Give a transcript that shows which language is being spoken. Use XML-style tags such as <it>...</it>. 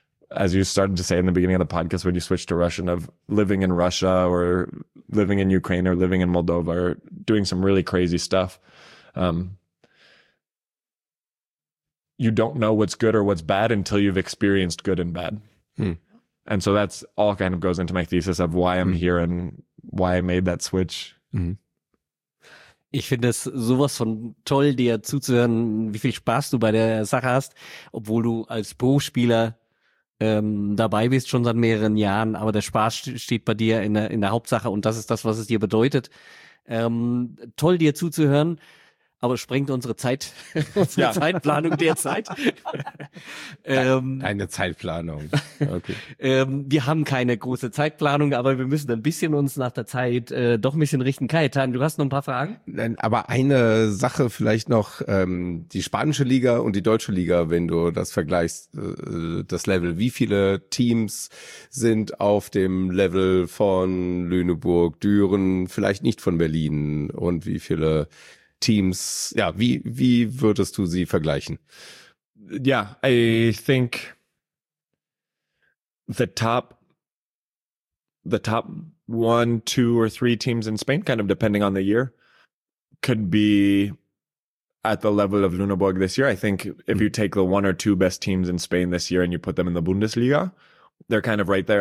<en>As you started to say in the beginning of the podcast, when you switched to Russian, of living in Russia or living in Ukraine or living in Moldova or doing some really crazy stuff. You don't know what's good or what's bad until you've experienced good and bad. Hmm. And so that's all kind of goes into my thesis of why I'm here and why I made that switch. Mm-hmm.</en> <de>Ich finde es sowas von toll, dir zuzuhören, wie viel Spaß du bei der Sache hast, obwohl du als Pro-Spieler dabei bist schon seit mehreren Jahren, aber der Spaß steht bei dir in der Hauptsache, und das ist das, was es dir bedeutet. Toll, dir zuzuhören, aber es sprengt unsere Zeit, unsere Zeitplanung derzeit. Eine Zeitplanung, okay. Wir haben keine große Zeitplanung, aber wir müssen ein bisschen uns nach der Zeit doch ein bisschen richten. Kaetan, du hast noch ein paar Fragen? Nein, aber eine Sache vielleicht noch, die spanische Liga und die deutsche Liga, wenn du das vergleichst, das Level. Wie viele Teams sind auf dem Level von Lüneburg, Düren, vielleicht nicht von Berlin, und wie viele Teams, ja, wie würdest du sie vergleichen?</de> <en>Yeah, I think the top 1, 2, or 3 teams in Spain, kind of depending on the year, could be at the level of Lüneburg this year. I think if you take the 1 or 2 best teams in Spain this year and you put them in the Bundesliga, they're kind of right there.</en>